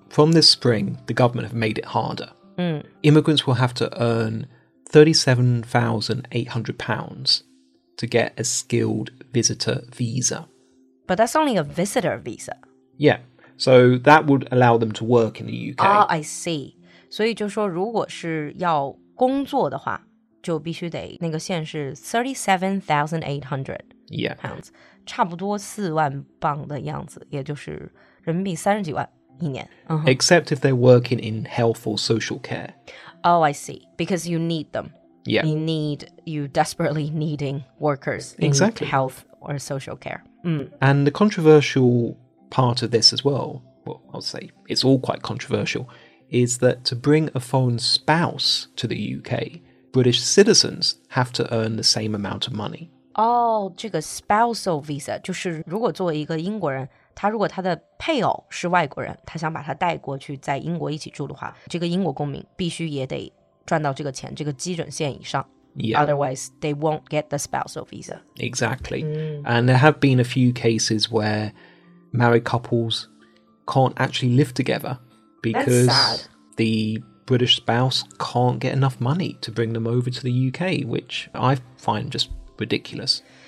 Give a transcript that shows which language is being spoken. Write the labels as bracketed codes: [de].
[en] From this spring, the government have made it harder. Immigrants will have to earn £37,800 to get a skilled visitor visa. But that's only a visitor visa. Yeah, so that would allow them to work in the UK. I see. [zh] 所以就说如果是要工作的话就必须得那个线是£37,800 [en] Yeah. [zh] 差不多四万镑的样子也就是人民币三十几万一年、 [en] uh-huh. Except if they're working in health or social care. Oh, I see. Because you need them. Yeah. You desperately needing workers in、 exactly. health or social care.、 And the controversial part of this as well, well, I'll say it's all quite controversial, is that to bring a foreign spouse to the UK, British citizens have to earn the same amount of money. [zh] Oh, 这个 spousal visa, 就是如果作为一个英国人他如果他的配偶是外国人他想把他带过去在英国一起住的话这个英国公民必须也得赚到这个钱这个基准线以上、 [en] yeah. Otherwise, they won't get the spousal visa. Exactly.、And there have been a few cases where married couples can't actually live together because the British spouse can't get enough money to bring them over to the UK, which I find just ridiculous.